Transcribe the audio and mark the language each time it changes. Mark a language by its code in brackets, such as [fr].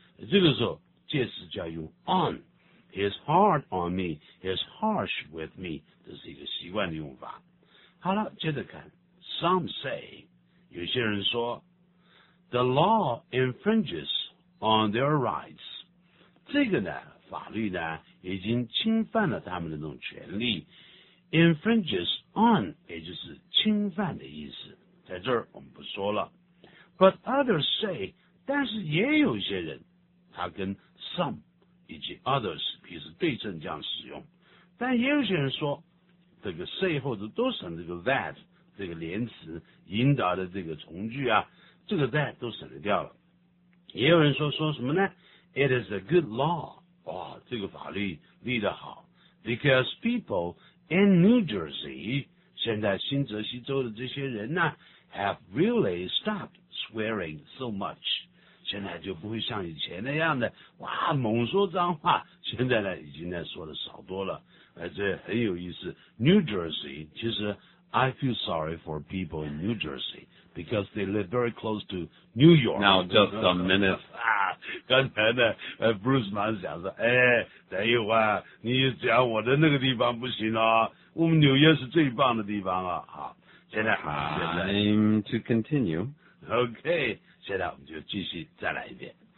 [zh] 这个时候介词就要用 on. [en] He's hard on me, he's harsh with me. [zh] 这是一个习惯的用法。好了，接着看。 [en] Some say, [zh] 有些人说 [en] ,the law infringes on their rights. [zh] 这个呢法律呢已经侵犯了他们的那种权利。 [en] Infringes on, [zh] 也就是侵犯的意思。在这儿我们不说了。 [en] But others say, [zh] 但是也有一些人他跟 some,以及 others, 彼此对称这样使用。但也有些人说这个 say 后的都省这个 that, 这个连词引导的这个从句啊，这个 that 都省得掉了。也有人说什么呢？ [en] It is a good law, [zh] 哇，这个法律立得好。 [en] Because people in New Jersey, [zh] 现在新泽西州的这些人呢 [en] have really stopped swearing so much. [zh] 现在就不会像以前那样的哇猛说脏话，现在呢已经呢说的少多了。这很有意思。 [en] New Jersey, [zh] 其实 [en] I feel sorry for people in New Jersey, because they live very close to New York. Now, just a minute. [zh] 刚才呢 ,Bruce 马上想说等一会儿你讲我的那个地方不行啊，我们纽约是最棒的地方啊。好，现在 [en] Time to continue. Okay. [zh] 现在我们就继续再来一遍。